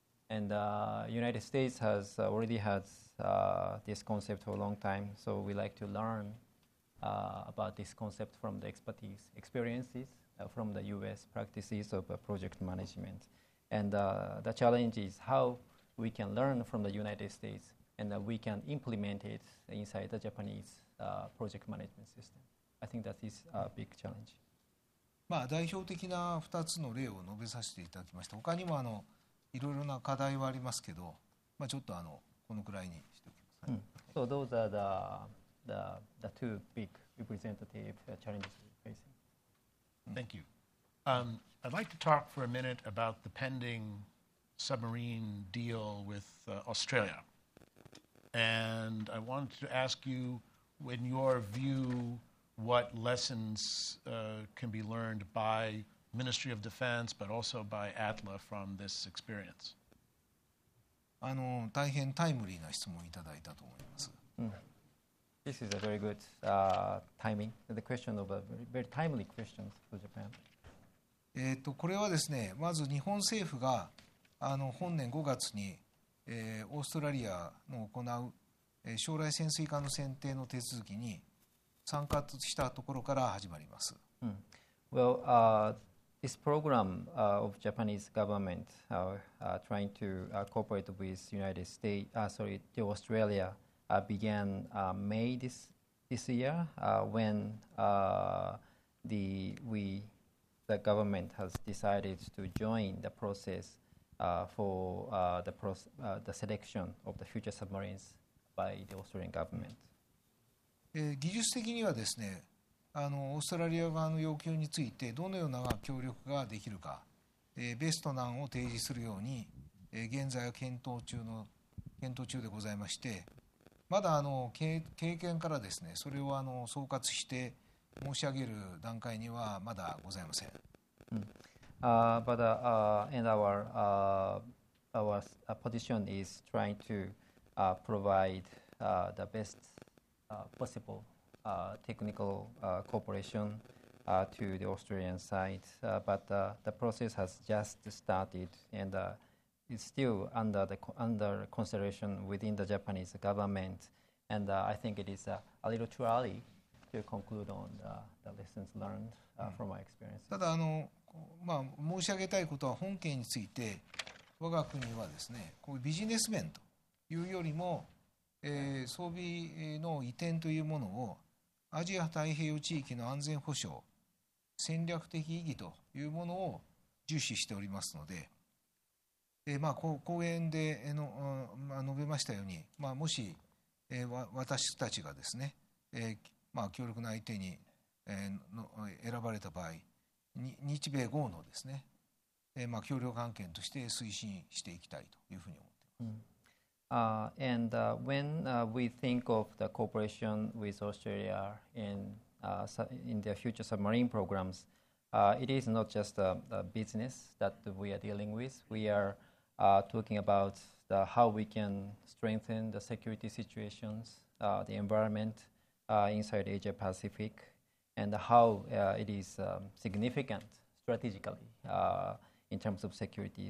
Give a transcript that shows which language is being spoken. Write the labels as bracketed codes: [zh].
[en] And the United States has already had this concept for a long time, so we like to learn about this concept from the expertise, experiences from the U.S. practices of project management. And the challenge is how we can learn from the United States and that we can implement it inside the Japanese project management system. I think that is a big challenge. [ja] まあ代表的な2つの例を述べさせていただきました。他にもいろいろな課題はありますけど、まあ、ちょっとこのくらいにしておきます。 [en] So those are the two big representative challenges we're facing. Thank you. I'd like to talk for a minute about the pending submarine deal with Australia. And I wanted to ask you, in your view, what lessons can be learned by Ministry of Defense, but also by ATLA from this experience. [ja] 大変タイムリーな質問をいただいたと思います。 [en] This is a very good timing. The question of a very timely question for Japan. [ja] これはですね、まず日本政府が本年5月に、オーストラリアの行う、将来潜水艦の選定の手続きに参加したところから始まります。 [en] Well, This program of Japanese government trying to cooperate with United States, to Australia, began May this year when the government has decided to join the process for the selection of the future submarines by the Australian government. [ja] 技術的にはですね。オーストラリア側の要求についてどのような協力ができるか、ベストな案を提示するように、現在は検討中でございまして、まだ経験からですね、それを総括して申し上げる段階にはまだございません。 [en] But and our position is trying to provide the best possibleTechnical cooperation to the Australian side, but the process has just started and it's still under consideration within the Japanese government. And I think it is a little too early to conclude on the lessons learned from my experience. [ja] ただ申し上げたいことは、本件について我が国はですね、こういうビジネス面というよりも、装備の移転というものをアジア太平洋地域の安全保障、戦略的意義というものを重視しておりますので、まあ、講演で述べましたように、まあ、もし私たちがですね、まあ、強力な相手に選ばれた場合、日米豪のですね、まあ、協力案件として推進していきたいというふうに思っています。 [en] And when we think of the cooperation with Australia in their future submarine programs, it is not just a business that we are dealing with. We are talking about the, how we can strengthen the security situations, the environment inside Asia Pacific, and how it is significant strategically in terms of security.